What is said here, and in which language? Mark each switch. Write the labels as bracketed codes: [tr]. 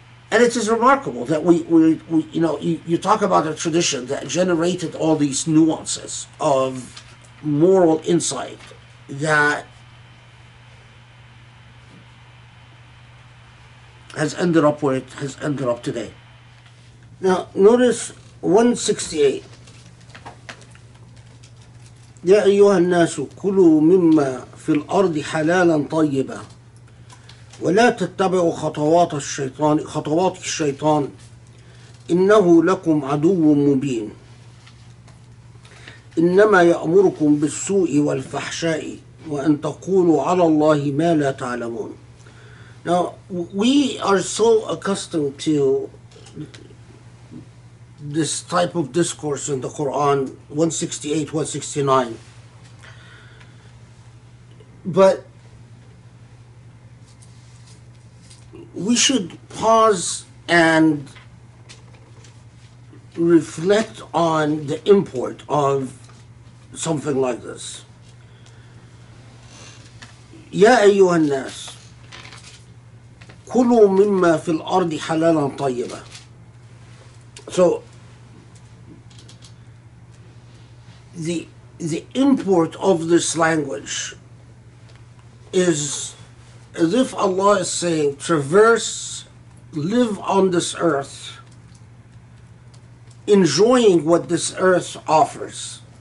[en] And it is remarkable that you talk about a tradition that generated all these nuances of moral insight that has ended up where it has ended up today. Now, notice 168. [ar] يا أيها الناس كلوا مما في الأرض حلالا طيبا ولا تتبعوا خطوات الشيطان إنه لكم عدو مبين إنما يأمركم بالسوء والفحشاء وأن تقولوا على الله ما لا تعلمون. [en] Now, we are so accustomed to this type of discourse in the Quran, 168-169. But we should pause and reflect on the import of something like this. [ar] يا أيها الناس كُلُوا مِمَّا فِي الْأَرْضِ حَلَالًا طَيِّبًا. [en] So, the import of this language is as if Allah is saying, traverse, live on this earth, enjoying what this earth offers.